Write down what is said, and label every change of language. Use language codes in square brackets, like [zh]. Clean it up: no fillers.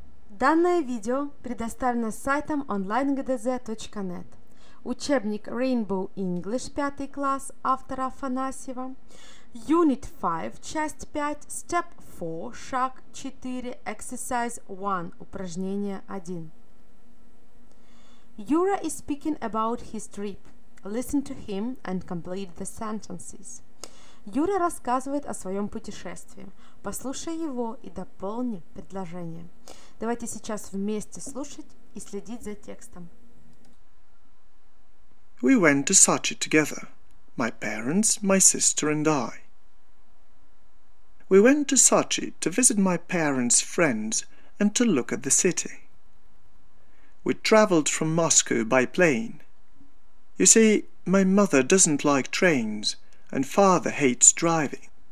[ru] Данное видео предоставлено сайтом onlinegdz.net. Учебник Rainbow English 5 класс автора Афанасьева. [en] Unit 5, [ru] часть 5, [en] step 4, [ru] шаг 4, [en] exercise 1, [ru] упражнение 1. [en] Yura is speaking about his trip. Listen to him and complete the sentences. [ru] Yura рассказывает о своем путешествии. Послушай его и дополни предложение. Давайте сейчас вместе слушать и следить за текстом. [en] We went to Sochi together. My parents, my sister and I. We went to Sochi to visit my parents' friends and to look at the city. We traveled from Moscow by plane. You see, my mother doesn't like trains and father hates driving.